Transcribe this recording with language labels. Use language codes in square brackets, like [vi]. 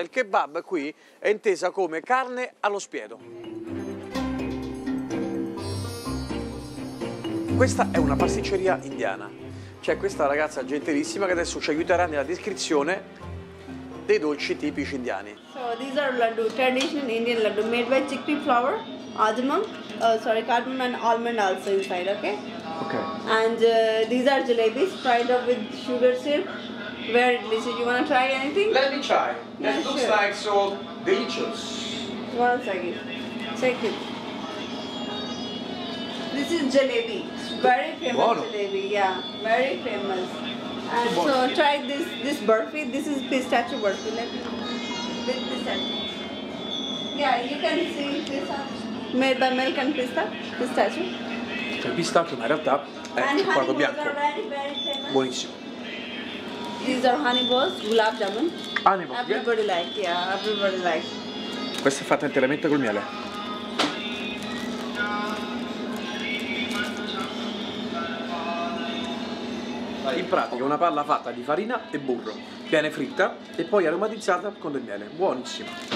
[it] Il kebab qui è intesa come carne allo spiedo. Questa è una pasticceria indiana. C'è questa ragazza gentilissima che adesso ci aiuterà nella descrizione dei dolci tipici indiani. [en] So these are laddu, traditional Indian laddu made by chickpea flour, ajman, cardamom and almond also inside, okay? Okay. And these are jalebis fried up with sugar syrup. Very delicious. You wanna try anything? Let me try. Yeah, it looks sure. Like so delicious. One second. Check it. This is jalebi. Very famous jalebi. Yeah, very famous. And so try this burfi. This is pistachio burfi. Let me with pistachio. Yeah, you can see this one made by milk and pistachio. [it] Cioè pistacchio, ma in realtà è cioccolato bianco. Buonissimo. [en] These are honey balls, gulab jamun. Honey balls. Everybody like, yeah, everybody like. [it] Questa è fatta interamente col miele. In pratica una palla fatta di farina e burro. Viene fritta e poi aromatizzata con del miele. Buonissimo.